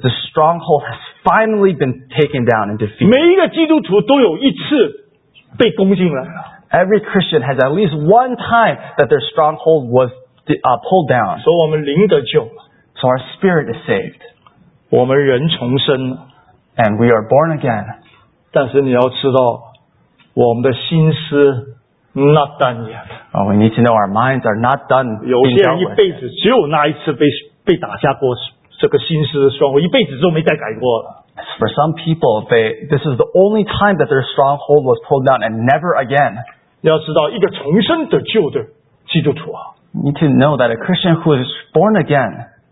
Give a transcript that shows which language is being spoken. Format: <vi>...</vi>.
<en>the stronghold has finally been taken down and defeated.</en> <zh>每一个基督徒都有一次被攻进来了。</zh> <en>Every Christian has at least one time that their stronghold was pulled down.</en> <zh>所以我们灵得救。</zh> <en>So our spirit is saved.</en> <zh>我们人重生。</zh> <en>And we are born again.</en> <zh>但是你要知道我们的心思</zh> <en>Not done yet. Oh, we need to know our minds are not done.</en> <zh>有些人一辈子只有那一次被打下过这个心思的stronghold，一辈子都没再改过了。</zh> <en>For some people, this is the only time that their stronghold was pulled down, and never again.</en> <zh>要知道，一个重生得救的基督徒啊，</zh> <en>need to know that a Christian who is born again,</en>